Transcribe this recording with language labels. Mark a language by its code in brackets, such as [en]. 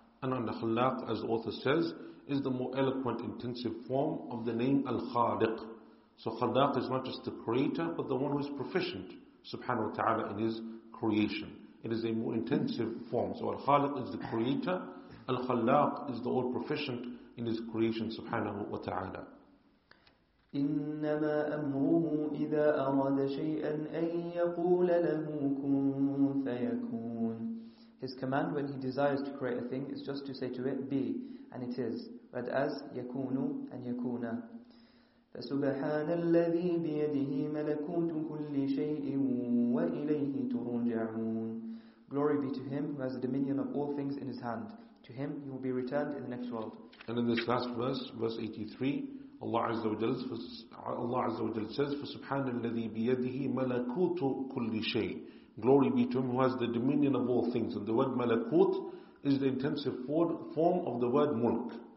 [en] And al-khallaq, as the author says, is the more eloquent intensive form of the name al-khaliq. So khallaq is not just the creator, but the one who is proficient subhanahu wa ta'ala in his creation. It is a more intensive form. So al-khaliq is the creator, al-khallaq is the all-proficient in his creation subhanahu wa ta'ala. [ar] إنما أمره إذا أراد شيئا أن يقول له كن فيكون. [en] His command when he desires to create a thing is just to say to it be, and it is. Read as يكون and يكون. [ar] فسبحان الذي بيده ملكوت كل شيء وإليه ترجعون. [en] Glory be to him who has the dominion of all things in his hand. To him you will be returned in the next world. And in this last verse, verse 83, Allah Azza wa Jal says, [ar] فَسُبْحَانَ الَّذِي بِيَدِهِ مَلَكُوتُ كُلِّ شَيْءٍ. [en] Glory be to him who has the dominion of all things. And the word malakut is the intensive form of the word mulk.